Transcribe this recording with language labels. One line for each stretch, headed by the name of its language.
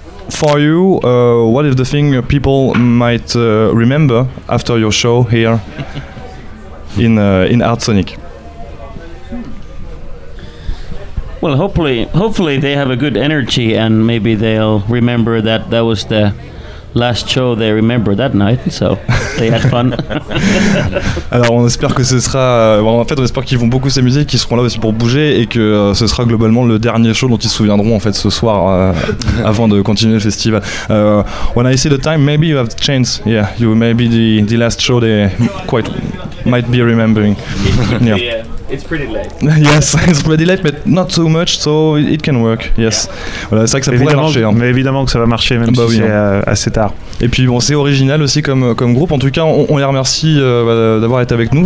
English: For you, what is the thing people might remember after your show here in Artsonic? Well, hopefully they have a good energy and maybe they'll remember that was the last show they remember that night, so they had fun.
French: Alors on espère que ce sera. En fait, on espère qu'ils vont beaucoup s'amuser, qu'ils seront là aussi pour bouger et que ce sera globalement le dernier show dont ils se souviendront en fait ce soir avant de continuer le festival.
English: When I see the time, maybe you have the chance. Yeah, you may be the last show they quite might be remembering. Yeah. It's pretty late. Yes, it's pretty late, but not too much, so it can work. Yes. Yeah.
French: Voilà, c'est vrai que ça pourrait marcher. Mais évidemment que ça va marcher, même si c'est assez tard. Et puis bon, c'est original aussi comme groupe. En tout cas, on les remercie d'avoir été avec nous.